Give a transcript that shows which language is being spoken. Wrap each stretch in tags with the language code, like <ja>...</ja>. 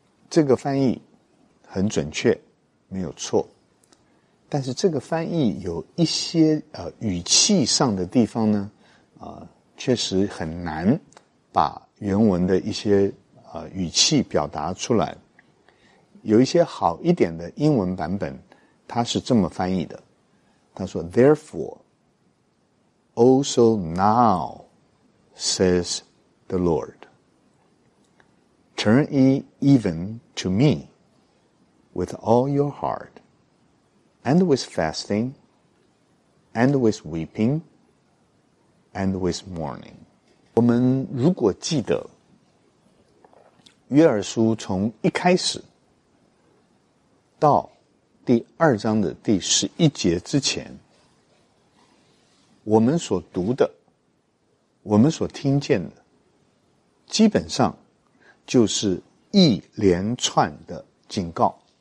<zh>这个翻译很准确，没有错，但是这个翻译有一些语气上的地方呢，确实很难把原文的一些语气表达出来。有一些好一点的英文版本，它是这么翻译的，他说</zh> <en>Therefore also now says the Lord, turn ye even to me with all your heart,And with fasting, and with weeping, and with mourning.</en> <zh>我们如果记得约珥书从一开始到第二章的第十一节之前，我们所读的，我们所听见的，基本上就是一连串的警告，</zh>